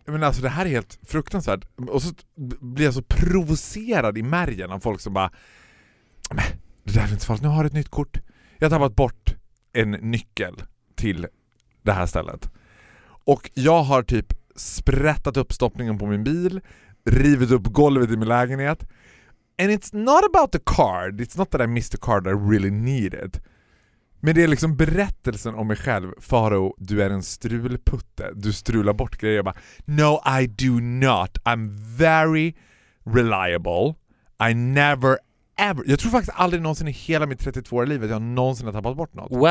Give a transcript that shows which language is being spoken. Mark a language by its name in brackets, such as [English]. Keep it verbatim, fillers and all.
[Swedish] Men alltså det här är helt fruktansvärt. Och så blir jag så provocerad i märgen av folk som bara, det där är inte fallet, nu har jag ett nytt kort. Jag har tappat bort en nyckel till det här stället. Och jag har typ sprättat upp stoppningen på min bil, rivit upp golvet i min lägenhet. [English] And it's not about the card. It's not that I missed the card I really needed. [Swedish] Men det är liksom berättelsen om mig själv. Faro, du är en strulputte. Du strular bort grejer. Jag bara, [English] no, I do not. I'm very reliable. I never ever... [Swedish] Jag tror faktiskt aldrig någonsin i hela mitt trettiotvååriga liv att jag någonsin har tappat bort något.